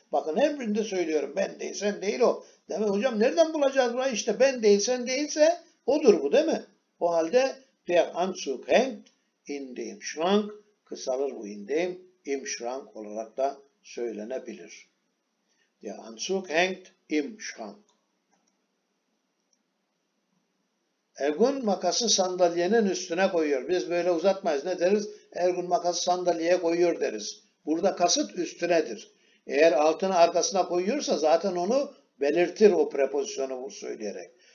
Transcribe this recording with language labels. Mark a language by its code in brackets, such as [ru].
[tr] Bakın her birinde söylüyorum. Ben değil, sen değil, o. Değil mi? Hocam nereden bulacağız burayı? İşte ben değil, sen değilse odur bu değil mi? O halde [de] der Anzug hängt in dem Schrank. [tr] Kısalır bu in dem. [de] Im Schrank [tr] olarak da söylenebilir. [de] Der Anzug hängt im Schrank. [tr] Ergun makası sandalyenin üstüne koyuyor. Biz böyle uzatmayız. Ne deriz? Ergun makası sandalyeye koyuyor deriz. Burada kasıt üstünedir. Eğer altına arkasına koyuyorsa zaten onu belirtir o prepozisyonu söyleyerek.